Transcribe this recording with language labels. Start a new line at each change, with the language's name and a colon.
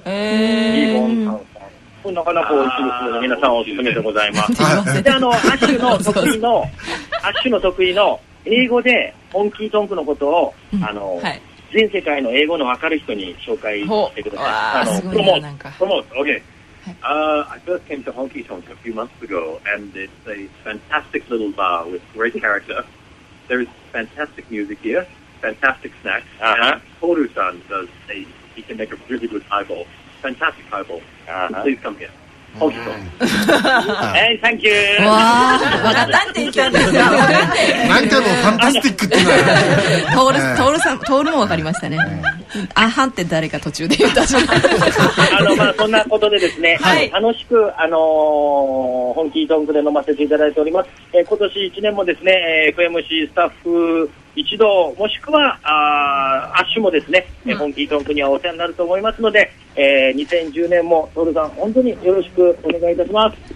Japanese: リボン炭酸、なかなか美味しいですので皆さんおすすめでございます。すいません、アッシュの得意のアッシュの得意の英語でホンキートンクのことを、はい、全世界の英語の分かる人に紹介してください。
English: プロモート、プロモート、 OK、I first came to Honky Tonk a few months ago, and it's a fantastic little bar with great character. There is fantastic music here, fantastic snacks, uh-huh. and Toru-san does a, he can make a really good highball, fantastic highball. Uh-huh. Please come here. Honky Tonk. Hey, thank you! Wow! I know what you said. What kind of fantastic? Toru-san also understood.
Japanese: アハンって誰か途中で言ったじゃん。まあ、そんなことでですね、はい、楽しく、ホンキートンクで飲ませていただいております。今年1年もですね、FMC スタッフ一同もしくはアッシュもですね、うん、ホンキートンクにはお世話になると思いますので、2010年もトールさん本当によろしくお願いいたします。